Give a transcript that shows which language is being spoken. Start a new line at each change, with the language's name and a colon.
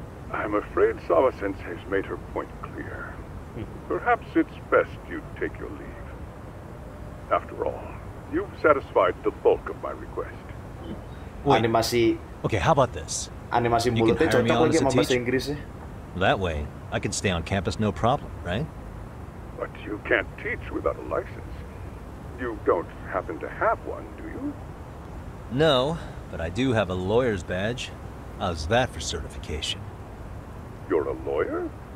English: I'm afraid Sawa-sensei has made her point clear. Perhaps it's best you take your leave. After all, you've satisfied the bulk of my request. Wait. Animasi. Okay, how about this?
Indonesian: Animasi mulutnya cocok lagi sama bahasa Inggris.
English: That way, I can stay on campus no problem, right? But you can't teach without a license. You don't happen to have one, do you? No, but I do have a lawyer's badge. How's that for certification? You're a lawyer?